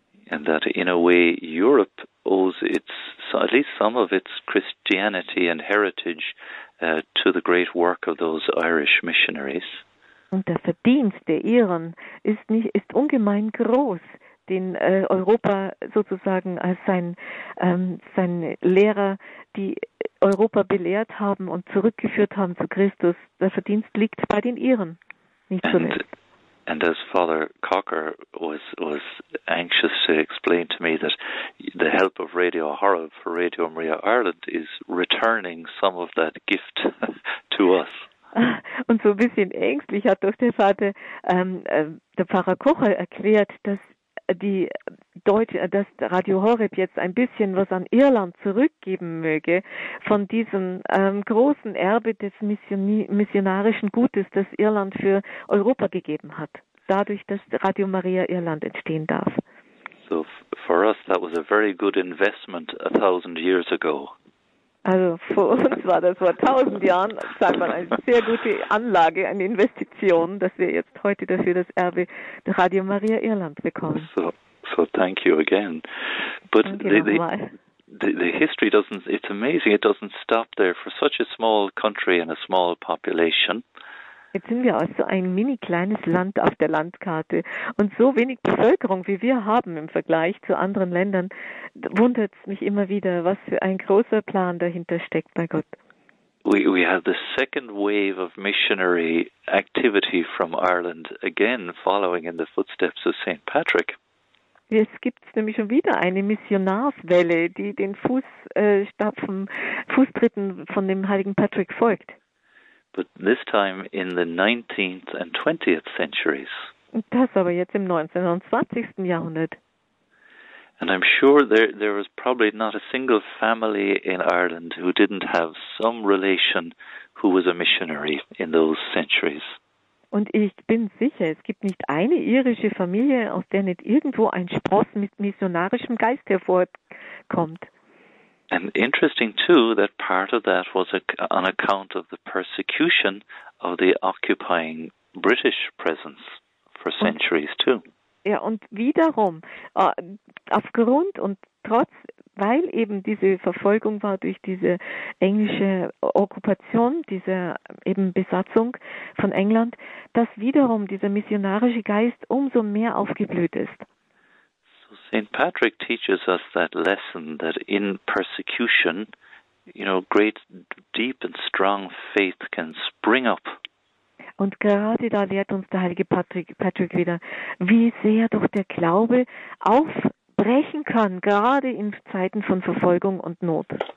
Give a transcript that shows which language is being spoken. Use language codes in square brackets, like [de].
[en] And that in a way Europe owes its, at least some of its Christianity and heritage to the great work of those Irish missionaries. [de] Und der Verdienst der Iren ist ungemein groß, den Europa sozusagen als sein Lehrer, die Europa belehrt haben und zurückgeführt haben zu Christus. Der Verdienst liegt bei den Iren, nicht zuletzt. [en] And as Father Cocker was anxious to explain to me, that the help of Radio Horeb for Radio Maria Ireland is returning some of that gift to us. [de] Und so ein bisschen ängstlich hat doch der Pfarrer Kocher erklärt, dass Radio Horeb jetzt ein bisschen was an Irland zurückgeben möge von diesem großen Erbe des missionarischen Gutes, das Irland für Europa gegeben hat, dadurch, dass Radio Maria Irland entstehen darf. [en] So for us that was a very good investment 1000 years ago. [de] Also für uns war das vor 1000 Jahren, sagt man, eine sehr gute Anlage, eine Investition, dass wir jetzt heute dafür das Erbe der Radio Maria Irland bekommen. [en] So thank you again. But [de] danke nochmal. [en] the history doesn't, it's amazing, it doesn't stop there for such a small country and a small population. [de] Jetzt sind wir auch so ein mini kleines Land auf der Landkarte und so wenig Bevölkerung, wie wir haben im Vergleich zu anderen Ländern, wundert es mich immer wieder, was für ein großer Plan dahinter steckt bei Gott. [en] We have the second wave of missionary activity from Ireland again, following in the footsteps of St. Patrick. [de] Jetzt gibt es nämlich schon wieder eine Missionarswelle, die den Fußtritten von dem heiligen Patrick folgt. [en] But this time in the 19th and 20th centuries. [de] Das aber jetzt im 19. und 20. Jahrhundert. [en] And I'm sure there was probably not a single family in Ireland who didn't have some relation who was a missionary in those centuries. [de] Und ich bin sicher, es gibt nicht eine irische Familie, aus der nicht irgendwo ein Spross mit missionarischem Geist hervorkommt. [en] And interesting too that part of that was on account of the persecution of the occupying British presence for centuries too. [de] Ja, und wiederum, aufgrund und trotz, weil eben diese Verfolgung war durch diese englische Okkupation, diese eben Besatzung von England, dass wiederum dieser missionarische Geist umso mehr aufgeblüht ist. [en] So St. Patrick teaches us that lesson that in persecution, you know, great, deep and strong faith can spring up. [de] Und gerade da lehrt uns der heilige Patrick wieder, wie sehr doch der Glaube aufbrechen kann, gerade in Zeiten von Verfolgung und Not.